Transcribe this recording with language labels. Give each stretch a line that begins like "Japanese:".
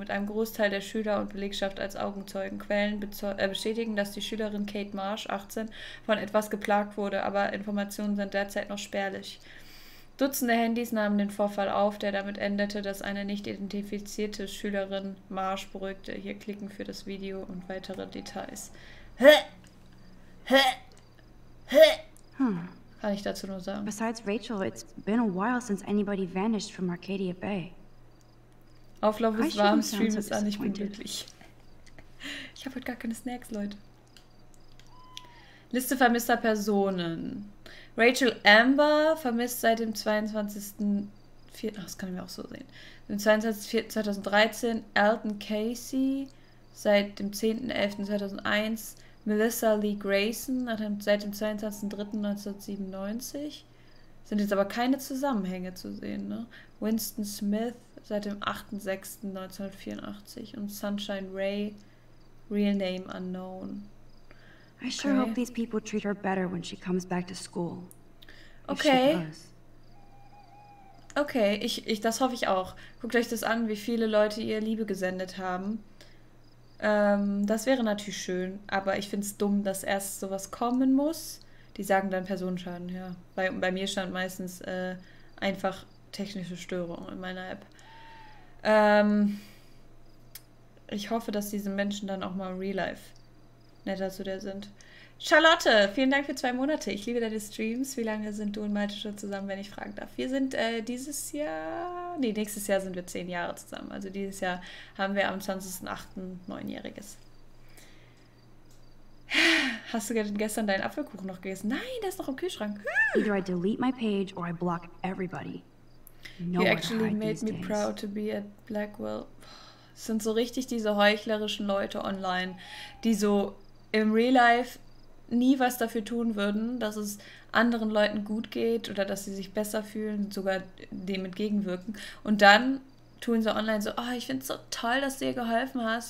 German: Mit einem Großteil der Schüler und Belegschaft als Augenzeugen. Quellen bestätigen, dass die Schülerin Kate Marsh, 18, von etwas geplagt wurde, aber Informationen sind derzeit noch spärlich. Dutzende Handys nahmen den Vorfall auf, der damit endete, dass eine nicht identifizierte Schülerin Marsh beruhigte. Hier klicken für das Video und weitere Details. Kann ich dazu nur sagen.
English: Besides Rachel, it's been a while since anybody vanished from Arcadia Bay.
German: Auflauf ist warm, Stream ist an, ich bin glücklich. Ich habe heute gar keine Snacks, Leute. Liste vermisster Personen. Rachel Amber vermisst seit dem 22.04. Ach, das kann ich mir auch so sehen. Seit dem 22.04.2013. Elton Casey seit dem 10.11.2001. Melissa Lee Grayson seit dem 22.03.1997. Sind jetzt aber keine Zusammenhänge zu sehen, ne? Winston Smith seit dem 8.06.1984 und Sunshine Ray,
English: real name unknown. I sure hope these people treat her better when she comes back to school.
German: Okay. Okay, ich das hoffe ich auch. Guckt euch das an, wie viele Leute ihr Liebe gesendet haben. Das wäre natürlich schön, aber ich finde es dumm, dass erst sowas kommen muss. Die sagen dann Personenschaden, ja. Bei mir stand meistens einfach technische Störung in meiner App. Ich hoffe, dass diese Menschen dann auch mal im Real Life netter zu dir sind. Charlotte, vielen Dank für 2 Monate. Ich liebe deine Streams. Wie lange sind du und Malte schon zusammen, wenn ich fragen darf? Wir sind nächstes Jahr sind wir 10 Jahre zusammen. Also dieses Jahr haben wir am 20.08. 9-jähriges. Hast du gestern deinen Apfelkuchen noch gegessen? Nein, der ist noch im Kühlschrank.
English: Either I delete my page or I block everybody. You actually made me proud to be at Blackwell.
German: Es sind so richtig diese heuchlerischen Leute online, die so im Real Life nie was dafür tun würden, dass es anderen Leuten gut geht oder dass sie sich besser fühlen, sogar dem entgegenwirken. Und dann tun sie online so, oh, ich finde es so toll, dass du ihr geholfen hast.